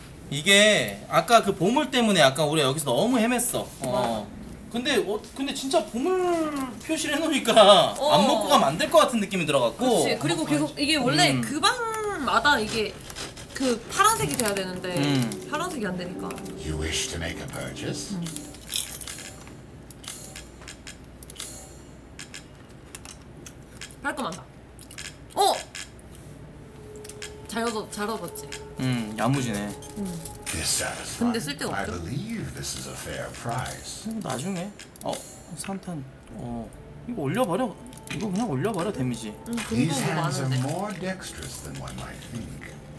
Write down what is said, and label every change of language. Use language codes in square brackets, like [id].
[ko] 이게 아까 그 보물 때문에 아까 우리 여기서 너무 헤맸어. 어. 근데 어, 근데 진짜 보물 표시를 해놓으니까 어. 안 먹고 가면 안 될 것 같은 느낌이 들어갖고. 그렇지. 그리고 계속 이게 원래 그 방마다 이게 그 파란색이 돼야 되는데 파란색이 안 되니까. [en] You wish to make a purchase? [ko] 깔끔하다. 어! 잘 얻어, 잘 얻었지? 야무지네. [en] Dissatisfied. [ko] 근데 쓸데가 없죠? [en] I believe this is a fair price. [ko] 나중에 어 산탄 어 이거 올려버려. 이거 그냥 올려버려 데미지. [en] These hands are more dexterous than one might think.